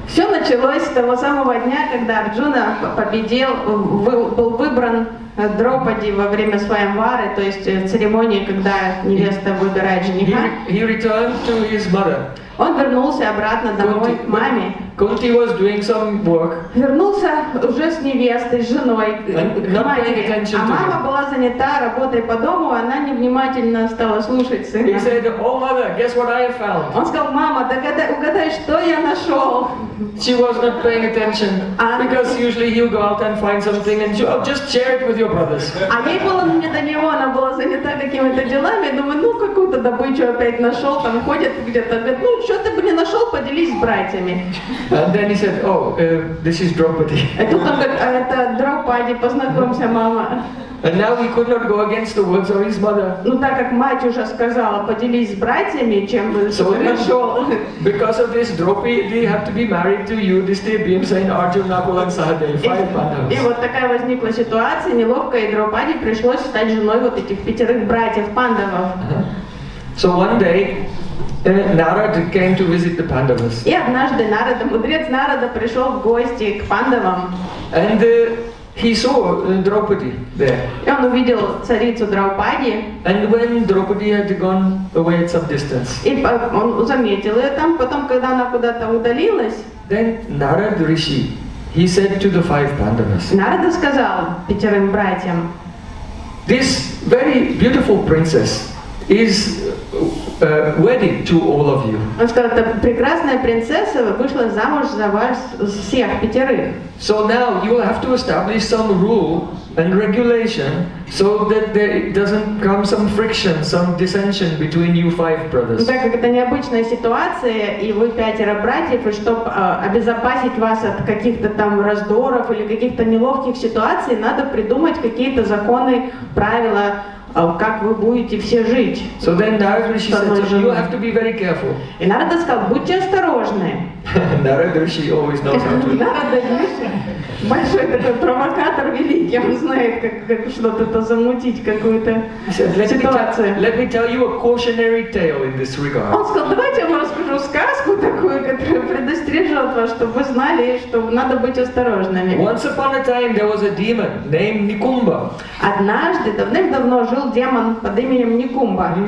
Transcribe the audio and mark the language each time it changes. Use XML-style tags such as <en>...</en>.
<ru>Все началось с того самого дня, когда Арджуна победил, был выбран Драупади во время Свайамвары, то есть церемонии, когда невеста выбирает жениха.</ru> <en>He returned to his mother.</en> <ru>Он вернулся обратно домой Kunti, к маме.</ru> <en>Kunti was doing some work.</en> <ru>Вернулся уже с невестой, с женой, к маме. А мама была занята работой по дому, она невнимательно стала слушать сына.</ru> <en>He said, "Oh, mother, guess what I found?"</en> <ru>Он сказал, мама, угадай, что я нашел.</ru> <en>She was not paying attention. Because usually he'll go out and find something and she'll just share it with your brothers.</en> <ru>А ей было не до него, она была занята какими-то делами. Думаю, ну какую-то добычу опять нашел, там ходит где-то, говорит, ну что ты бы не нашел, поделись с братьями.</ru> <en>And then he said, "Oh, this is Draupadi."</en> <ru>А тут он говорит, это Драупади, познакомься, мама.</ru> <en>And now he could not go against the words of his mother.</en> <ru>Ну так как мать уже сказала, поделись с братьями, чем бы что ты нашел.</ru> <en>Because of this, Draupadi have to be married to you this day, Bhimsen, Arjun, Nakul, and Sahadev, five Pandavas.</en> <ru>И вот такая возникла ситуация, неловко, и Драупади пришлось стать женой вот этих пятерых братьев Пандавов.</ru> <en>So one day, Narada came to visit the Pandavas.</en> <ru>И однажды Нарада, мудрец Нарада, пришел в гости к Пандавам.</ru> <en>And he saw Draupadi there.</en> <ru>И он увидел царицу Драупади.</ru> <en>And when Draupadi had gone away at some distance.</en> <ru>И он заметил ее там, потом, когда она куда-то удалилась.</ru> <en>Then Narada Rishi, he said to the five Pandavas.</en> <ru>Нарада сказал пятерым братьям.</ru> <en>This very beautiful princess is wedded to all of you.</en> <ru>Он сказал, эта прекрасная принцесса вышла замуж за вас всех пятерых.</ru> <en>So now you will have to establish some rule and regulation so that there doesn't come some friction, some dissension between you five brothers.</en> <ru>Так как это необычная ситуация, и вы пятеро братьев, и чтобы обезопасить вас от каких-то там раздоров или каких-то неловких ситуаций, надо придумать какие-то законы, правила. А как вы будете все жить?</ru> <en>So then Narada Rishi said, so you have to be very careful.</en> <ru>И Нарада сказал, будьте осторожны.</ru> <en>Narada Rishi always knows how to.</en> <ru>Нарада Риши большой такой провокатор великий, он знает, как что-то замутить, какую-то ситуацию.</ru> <en>Let me tell you a cautionary tale in this regard.</en> <ru>Он сказал, давайте я вам расскажу сказку такую, которая предостережет вас, чтобы вы знали, что надо быть осторожными.</ru> <en>Once upon a time there was a demon named Nikumba.</en> <ru>Однажды давным-давно жил демон под именем Никумба.</ru>